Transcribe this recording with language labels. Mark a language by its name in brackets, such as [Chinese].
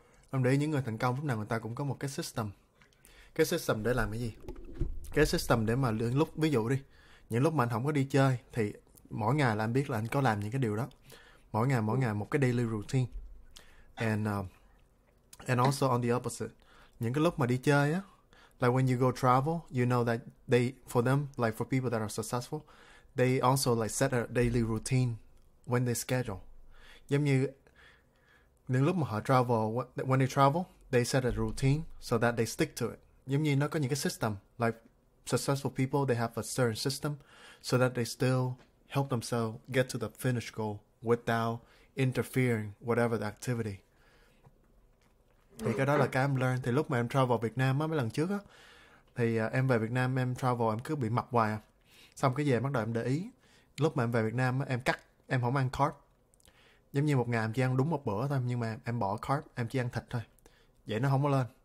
[Vietnamese] Anh để ý những người thành công lúc nào người ta cũng có một cái system. Cái system để làm cái gì? Cái system để mà lúc ví dụ đi, những lúc mà anh không có đi chơi thì mỗi ngày là anh biết là anh có làm những cái điều đó. Mỗi ngày một cái daily routine. [English] And also on the opposite. [Vietnamese] Những cái lúc mà đi chơi á, [English] like when you go travel, you know that they, for them, like for people that are successful, they also like set a daily routine when they schedule. [Vietnamese] Giống như những lúc mà họ travel, [English] when they travel, they set a routine so that they stick to it. [Vietnamese] Giống như nó có những cái system, [English] like successful people, they have a certain system so that they still help themselves get to the finish goal without interfering whatever the activity. [Vietnamese] Thì cái đó là cái em learn. Thì lúc mà em travel Việt Nam á, mấy lần trước á, thì em về Việt Nam em travel em cứ bị mập hoài à. Xong cái về bắt đầu em để ý. Lúc mà em về Việt Nam á, em cắt, em không ăn carb. Giống như một ngày em chỉ ăn đúng một bữa thôi, nhưng mà em bỏ carb, em chỉ ăn thịt thôi. Vậy nó không có lên.